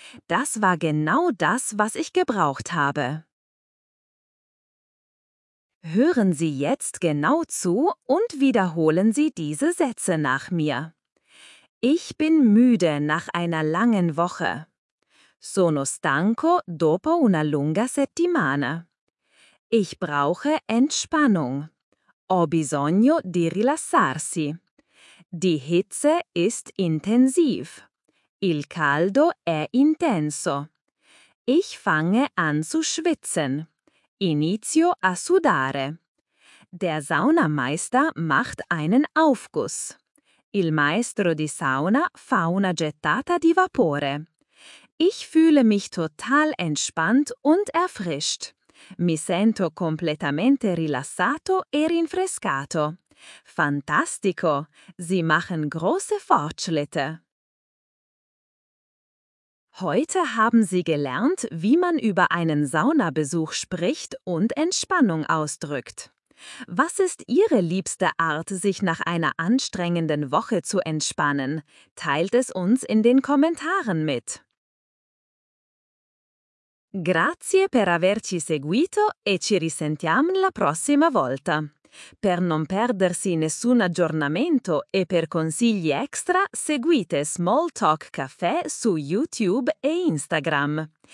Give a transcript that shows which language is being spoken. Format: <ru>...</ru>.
<de>Das war genau das, was ich gebraucht habe. Hören Sie jetzt genau zu und wiederholen Sie diese Sätze nach mir. Ich bin müde nach einer langen Woche.</de> <it>Sono stanco dopo una lunga settimana.</it> <de>Ich brauche Entspannung.</de> <it>Ho bisogno di rilassarsi.</it> <de>Die Hitze ist intensiv.</de> <it>Il caldo è intenso.</it> <de>Ich fange an zu schwitzen.</de> <it>Inizio a sudare.</it> <de>Der Saunameister macht einen Aufguss.</de> <it>Il maestro di sauna fa una gettata di vapore.</it> <de>Ich fühle mich total entspannt und erfrischt.</de> <it>Mi sento completamente rilassato e rinfrescato. Fantastico!</it> <de>Sie machen große Fortschritte. Heute haben Sie gelernt, wie man über einen Saunabesuch spricht und Entspannung ausdrückt. Was ist Ihre liebste Art, sich nach einer anstrengenden Woche zu entspannen? Teilt es uns in den Kommentaren mit.</de> <it>Grazie per averci seguito e ci risentiamo la prossima volta. Per non perdersi nessun aggiornamento e per consigli extra, seguite Small Talk Caffè su YouTube e Instagram.</it>